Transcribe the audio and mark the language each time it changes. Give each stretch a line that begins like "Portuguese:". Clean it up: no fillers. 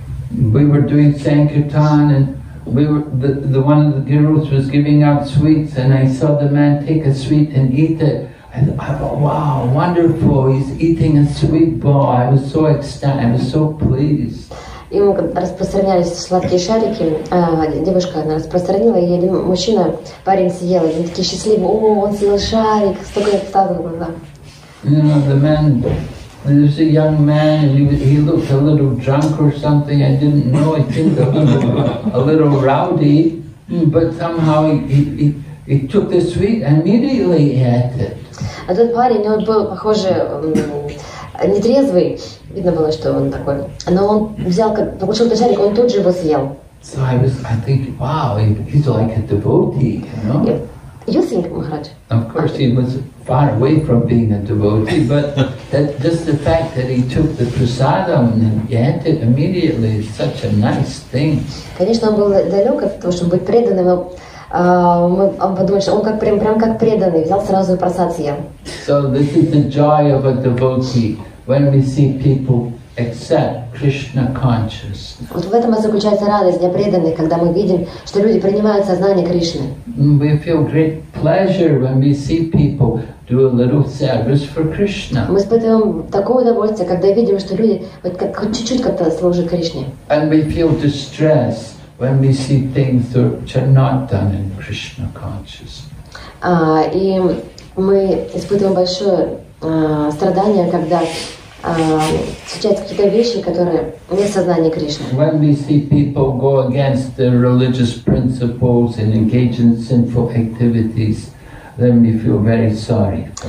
English: We were doing sankirtan, and one of the girls was giving out sweets, and I saw the man take a sweet and eat it. And I thought, wow, wonderful! He's eating a sweet ball. I was so ecstatic. I was so pleased.
Russian: И мы распространялись сладкие шарики, девушка она распространила, и один мужчина, парень съел, и он такие счастливые, о, он съел шарик, столько лет стало, да.
English: You know, the man, there was a young man, and he looked a little drunk or something, I didn't know, I think a little rowdy, but somehow he took the sweet and immediately ate it.
Russian: А тот парень, он был, похоже, нетрезвый, видно было, что он такой. Но он взял, получил этот шарик, он тут же его съел.
English: So I think, wow, he's like a devotee, you know? You think, Maharaj? Of course, he was far away from being a devotee, but that just the fact that he took the prasadam and he ate it immediately is such a nice thing.
Russian: Конечно, он был далек от того, чтобы быть преданным, но он подумал, что он как прям как преданный, взял сразу просад съел.
English: So this is the joy of a devotee when we see people accept Krishna consciousness.
Russian: Вот в этом и заключается радость для преданных, когда мы видим, что люди принимают сознание Кришны.
English: We feel great pleasure when we see people do a little service for Krishna.
Russian: Мы испытываем такое удовольствие, когда видим, что люди хоть чуть-чуть как-то служат Кришне.
English: And we feel distress when we see things which are not done in Krishna consciousness.
Russian: И мы испытываем большое страдание, когда случаются какие-то вещи, которые не в сознании Кришны.
English: When we see people go against their religious principles and engage in sinful activities, then we feel very sorry.